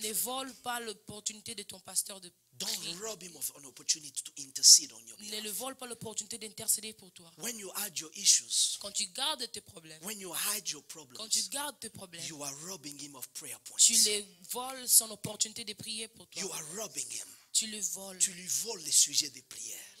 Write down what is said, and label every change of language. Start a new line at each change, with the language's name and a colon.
French: Ne vole pas l'opportunité de ton pasteur de
English: don't rob him of an opportunity to intercede on your behalf.
French: Ne le vole pas l'opportunité d'intercéder pour toi.
English: When you hide your issues,
French: quand tu gardes tes problèmes,
English: when you hide your problems,
French: quand tu gardes tes problèmes,
English: you are robbing him of prayer points.
French: Tu le voles son opportunité de prier pour toi.
English: You are robbing him.
French: Tu le voles. Tu lui voles le sujet des prières.